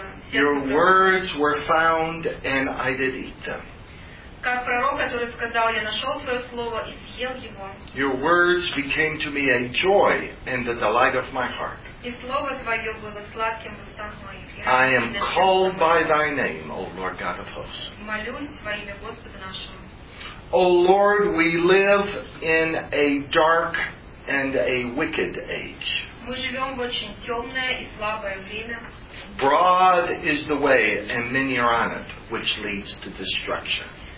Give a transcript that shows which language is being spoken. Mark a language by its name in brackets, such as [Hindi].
[English] Your words were found and I did eat them. [Russian] Как пророк, который сказал, я нашел свое слово и съел его. [English] Your words became to me a joy and the delight of my heart. [Russian] И слово твое было сладким в устах моих. [English] I am called by thy name, O Lord God of hosts. [Russian] Молюсь во имя Господа нашего. [English] O Lord, we live in a dark and a wicked age. [Russian] Мы живем в очень темное и слабое время. [English] Broad is the way and many are on it, which leads to destruction.